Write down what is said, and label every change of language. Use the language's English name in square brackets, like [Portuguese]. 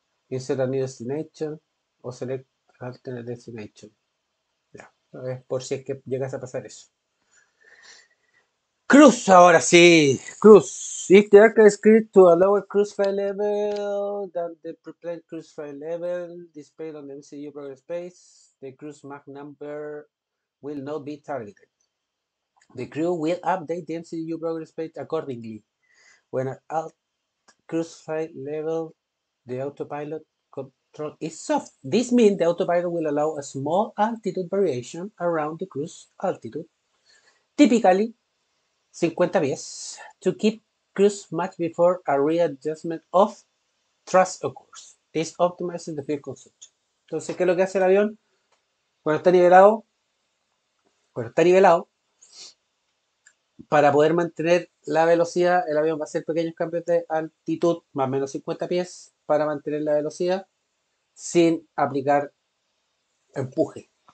[English] Insert a new destination o select alternate destination. [Spanish] Ya, es por si es que llegas a pasar eso. Cruz, ahora sí. Cruz. [English] If the aircraft is cleared to a lower cruise flight level than the preplanned cruise flight level displayed on the MCU progress space, the cruise Mach number will not be targeted. The crew will update the MCU progress page accordingly. When at cruise flight level, the autopilot control is off. This means the autopilot will allow a small altitude variation around the cruise altitude, typically 50 pies, to keep cruise much before a readjustment of thrust occurs. This optimizes the fuel consumption. [Spanish] Entonces, ¿qué es lo que hace el avión? Cuando está nivelado, para poder mantener la velocidad, el avión va a hacer pequeños cambios de altitud, más o menos 50 pies, para mantener la velocidad sin aplicar empuje.